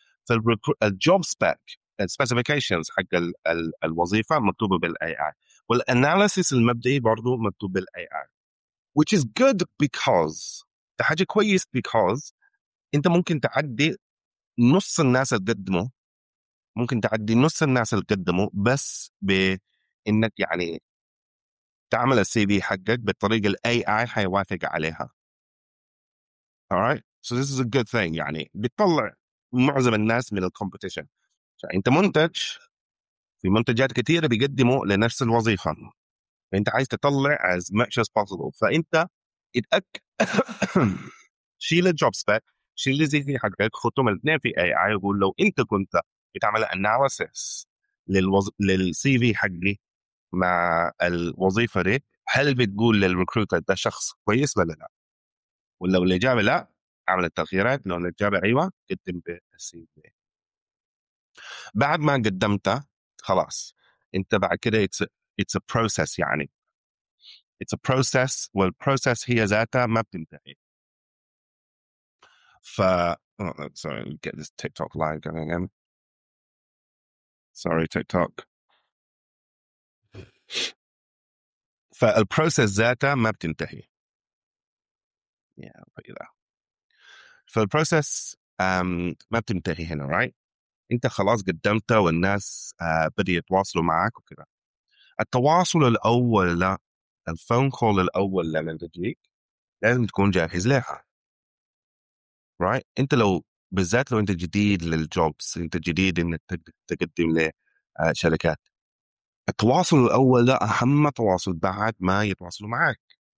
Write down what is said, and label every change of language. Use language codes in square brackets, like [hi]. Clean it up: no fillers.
[ar] فالجوب سبيك specifications حق الوظيفة مكتوبة بالAI، والأناليسيس المبدئي برضو مكتوب بالAI، [en] which is good because [ar] حاجة كويس because انت ممكن تعدي نص الناس اللي قدموا، ممكن تعدي نص الناس اللي قدموا بس بانك يعني تعمل السي في حقك بالطريقة الAI حيوافق عليها. [en] alright so this is a good thing، [ar] يعني بتطلع معظم الناس من الكومبيتيشن. انت منتج، في منتجات كثيرة بيقدموا لنفس الوظيفة، فانت عايز تطلع [en] as much as possible. [ar] فانت شيل الجوب سبيك، شيل زي في حقك، خطهم الاثنين في AI، يقول لو انت كنت بتعمل analysis للسي في حقي مع الوظيفة دي، هل بتقول للريكروتر ده شخص كويس ولا لا؟ ولو الإجابة لا عمل التغييرات، لو الإجابة ايوه قدم بالسي في. بعد ما قدمته خلاص انت بعد كده [en] it's a process، [ar] يعني it's a process، والprocess هي ذاتها ما بتنتهي. [en] ف sorry get this TikTok live going again، sorry TikTok. [ar] فالprocess ذاتها ما بتنتهي. [en] yeah I'll put you there. [ar] فالبروسس ما بتنتهي هنا، right؟ انت خلاص قدمته والناس بدي يتواصلوا معك وكذا. التواصل الاول لا، الفون كول الاول لما تجيك لازم تكون جاهز لها، right؟ انت لو بالذات لو انت جديد للجوبس، انت جديد انك تقدم لشركات، التواصل الاول لا اهم تواصل بعد ما يتواصلوا معك.